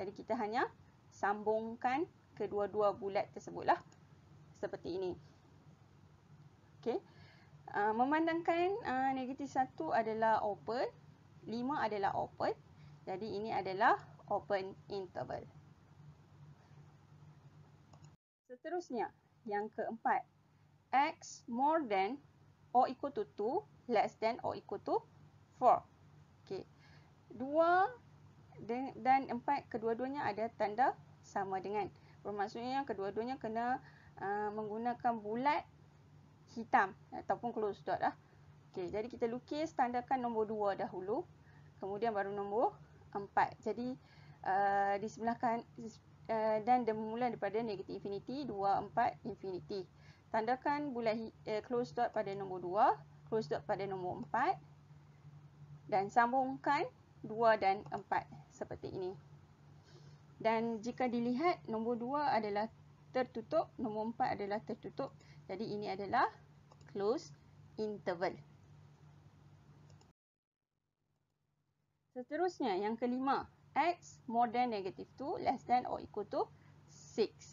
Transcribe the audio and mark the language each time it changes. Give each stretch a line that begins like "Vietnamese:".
Malay: Jadi kita hanya sambungkan kedua-dua bulat tersebutlah seperti ini. Okey. Memandangkan negatif 1 adalah open, 5 adalah open. Jadi ini adalah open interval. Seterusnya, yang keempat.
English: X more than or equal to 2, less than or equal to 4.
Malay: Okey. 2 dan 4 kedua-duanya ada tanda sama dengan. Bermaksudnya kedua-duanya kena menggunakan bulat hitam ataupun close dot lah. Okey, jadi kita lukis tandakan nombor 2 dahulu, kemudian baru nombor 4. Jadi di sebelah kan dan bermula daripada negative infinity 2 4 infinity. Tandakan bulat close dot pada nombor 2, close dot pada nombor 4. Dan sambungkan 2 dan 4 seperti ini. Dan jika dilihat, nombor 2 adalah tertutup, nombor 4 adalah tertutup. Jadi ini adalah close interval. Seterusnya, yang kelima.
English: X more than negative 2, less than or equal to 6.